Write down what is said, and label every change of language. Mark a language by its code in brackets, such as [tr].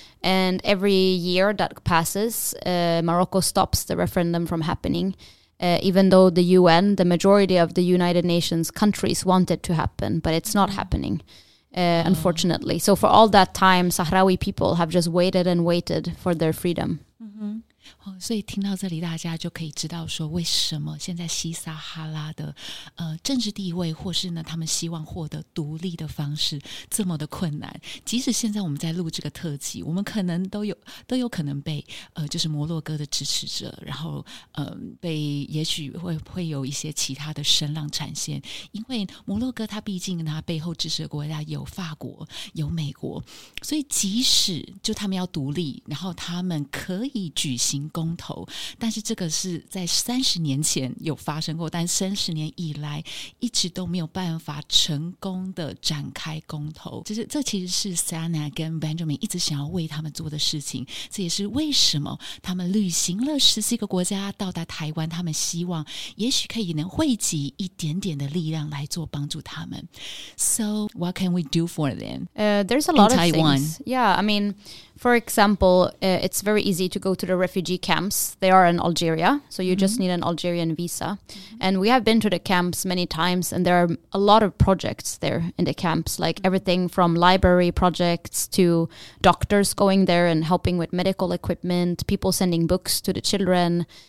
[en] And every year that passes, Morocco stops the referendum from happening. Even though the UN, the majority of the United Nations countries, want it to happen. But it's not happening. Unfortunately. So for all that time, Sahrawi people have just waited and waited for their freedom. Mm-hmm. [zh] 所以听到这里大家就可以知道说为什么现在西撒哈拉的、政治地位或是呢他们希望获得独立的方式这么的困难，即使现在我们在录这个特辑，我们可能都有可能被、就是摩洛哥的支持者，然后、被也许 会有一些其他的声浪产现，因为摩洛哥他毕竟他背后支持的国家有法国有美国，所以即使就他们要独立，然后他们可以举行公投，但是这个是在三十年前有发生过，但三十年以来一直都没有办法成功的展开公投，就是这其实是 Sanna 跟 Benjamin 一直想要为他们做的事情，这也是为什么他们旅行了十四个国家到达台湾，他们希望也许可以能汇集一点点的力量来做帮助他们。 [en] So what can we do for them? There's a lot of things. Yeah, I mean,For example, it's very easy to go to the refugee camps. They are in Algeria, so you just need an Algerian visa. And we have been to the camps many times, and there are a lot of projects there in the camps, like everything from library projects to doctors going there and helping with medical equipment, people sending books to the children.